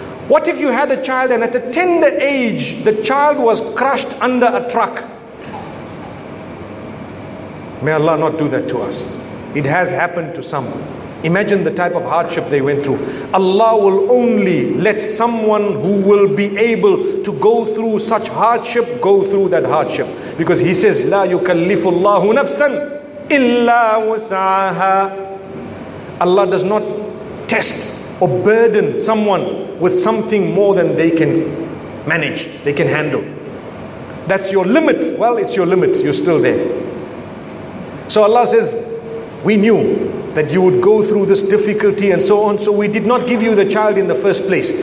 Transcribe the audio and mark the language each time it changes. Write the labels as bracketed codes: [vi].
[en] What if you had a child and at a tender age, the child was crushed under a truck? May Allah not do that to us. It has happened to some. Imagine the type of hardship they went through. Allah will only let someone who will be able to go through such hardship go through that hardship. Because He says, [ar] لا يكلف الله نفسا إلا وسعها. [en] Allah does not test or burden someone with something more than they can manage, they can handle. That's your limit. Well, it's your limit. You're still there. So Allah says, we knew that you would go through this difficulty and so on. So we did not give you the child in the first place.